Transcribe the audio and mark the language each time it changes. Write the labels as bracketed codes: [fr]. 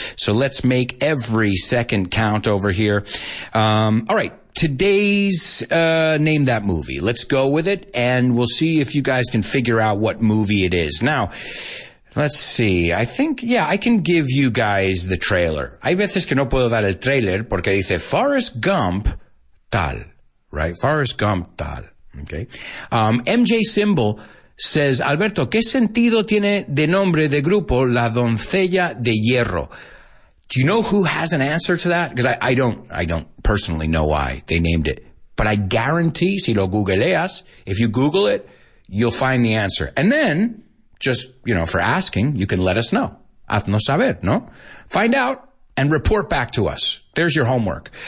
[en] So let's make every second count over here. All right. Today's Name That Movie. Let's go with it, and we'll see if you guys can figure out what movie it is. Now, let's see. I think, yeah, I can give you guys the trailer. [es] Hay veces que no puedo dar el trailer porque dice Forrest Gump tal, right? Forrest Gump tal, okay? MJ Symbol says, Alberto, ¿qué sentido tiene de nombre de grupo La Doncella de Hierro? [en] Do you know who has an answer to that? Because I don't personally know why they named it. But I guarantee, [es] si lo googleas, [en] if you Google it, you'll find the answer. And then, just, you know, for asking, you can let us know. [es] Haznos saber, ¿no? [en] Find out and report back to us. There's your homework.